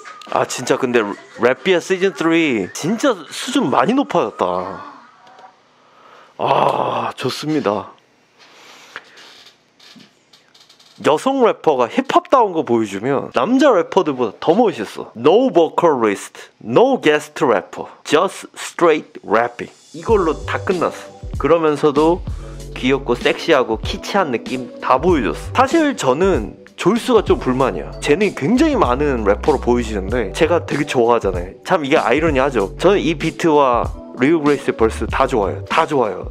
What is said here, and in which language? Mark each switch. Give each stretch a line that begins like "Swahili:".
Korean: 아 진짜 근데 랩비아 시즌 3 진짜 수준 많이 높아졌다. 아 좋습니다. 여성 래퍼가 힙합다운 거 보여주면 남자 래퍼들보다 더 멋있어.
English: No vocalist, no guest rapper, just straight rapping.
Korean: 이걸로 다 끝났어. 그러면서도 귀엽고 섹시하고 키치한 느낌 다 보여줬어. 사실 저는 졸수가 좀 불만이야. 재능이 굉장히 많은 래퍼로 보이시는데 제가 되게 좋아하잖아요. 참 이게 아이러니하죠. 저는 이 비트와 리우 그레이스 벌스 다 좋아요. 다 좋아요.